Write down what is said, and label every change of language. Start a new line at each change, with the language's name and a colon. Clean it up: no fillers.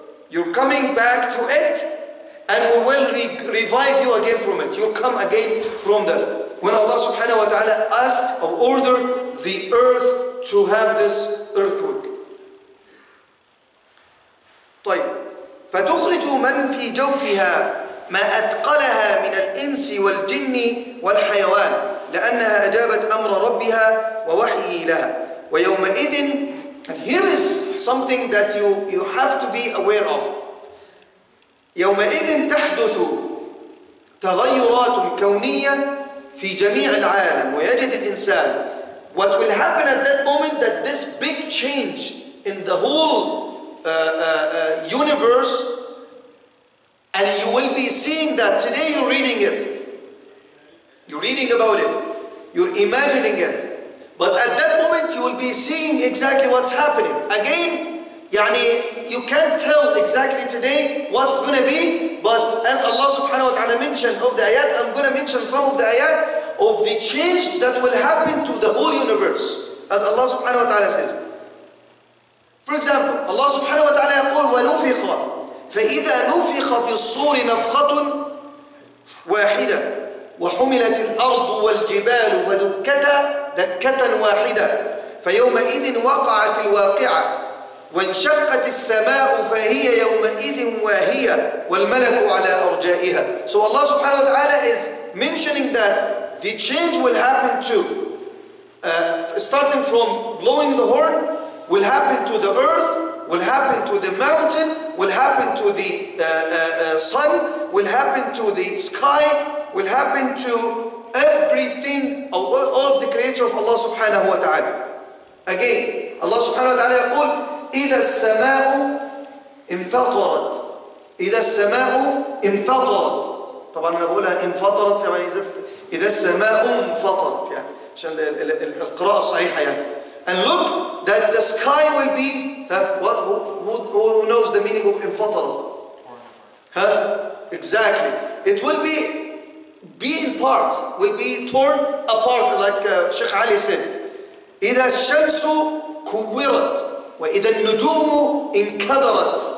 English: You're coming back to it, and we will revive you again from it. You'll come again from that. When Allah subhanahu wa ta'ala asked or ordered the earth to have this earthquake.
Arabic: طيب فتخرج من في جوفها ما أثقلها من الإنس والجن والحيوان لأنها أجابت أمر ربها ووحيه لها ويومئذ.
English: And here is something that you have to be aware of.
Arabic: يومئذ تحدث تغيرات كونية في جميع العالم ويجد الإنسان.
English: What will happen at that moment that this big change in the whole universe, and you will be seeing that today you're reading it, you're reading about it, you're imagining it, but at that moment you will be seeing exactly what's happening again. يعني you can't tell exactly today what's going to be, but as Allah subhanahu wa ta'ala mentioned of the ayat, I'm going to mention some of the ayat of the change that will happen to the whole universe, as Allah subhanahu wa ta'ala says. For example,
Arabic: Allah subhanahu wa ta'ala يقول ونفخ فإذا نفخ في الصور نفخة واحدة وحملت الأرض والجبال فدكتا دكة واحدة فيومئذ وقعت الواقعة وانشقت السماء فهي يومئذ واهية والملك على أرجائها.
English: So Allah subhanahu wa ta'ala is mentioning that the change will happen to starting from blowing the horn, will happen to the earth, will happen to the mountain, will happen to the sun, will happen to the sky, will happen to everything, all of the creature of Allah subhanahu wa ta'ala. Again, Allah subhanahu wa ta'ala
Arabic: يقول إِذَا السَّمَاءُ انفطرت. إِذَا السَّمَاءُ انفطرت. طبعاً أنا بقولها انفطرت يعني إذا السماء انفطرت يعني عشان القراءة صحيحة يعني.
English: And look that the sky will be who knows the meaning of انفطر. Huh? Exactly. It will be in parts, will be torn apart, like Sheikh Ali said.
Arabic: إِذَا الشَّمْسُ كُوِّرَتْ وَإِذَا النُّجُومُ انْكَدَرَتْ.